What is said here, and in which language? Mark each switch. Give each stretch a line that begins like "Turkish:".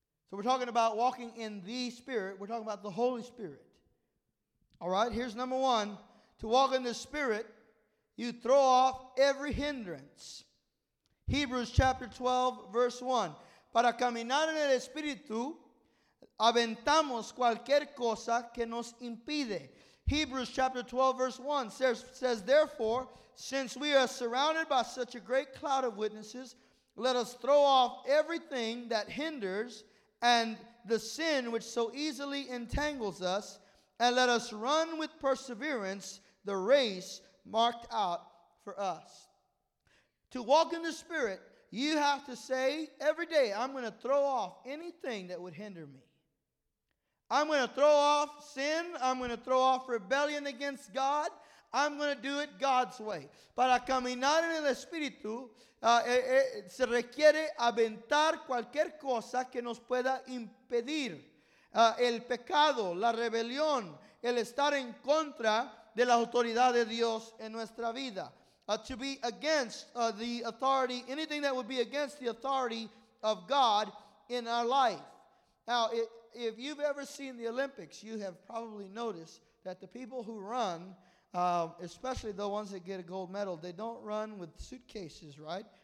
English: So we're talking about walking in the Spirit. We're talking about the Holy Spirit. All right, here's number one. To walk in the Spirit, you throw off every hindrance. Hebrews chapter 12, verse 1.
Spanish: Para caminar en el Espíritu, aventamos cualquier cosa que nos impide.
English: Hebrews chapter 12, verse 1 says, therefore, since we are surrounded by such a great cloud of witnesses, let us throw off everything that hinders and the sin which so easily entangles us, and let us run with perseverance the race marked out for us. To walk in the Spirit, you have to say every day, I'm going to throw off anything that would hinder me. I'm going to throw off sin. I'm going to throw off rebellion against God. I'm going to do it God's way.
Spanish: Para caminar en el Espíritu, se requiere aventar cualquier cosa que nos pueda impedir. El pecado, la rebelión, el estar en contra de la autoridad de Dios en nuestra vida.
English: To be against the authority, anything that would be against the authority of God in our life. Now, if you've ever seen the Olympics, you have probably noticed that the people who run, especially the ones that get a gold medal, they don't run with suitcases, right?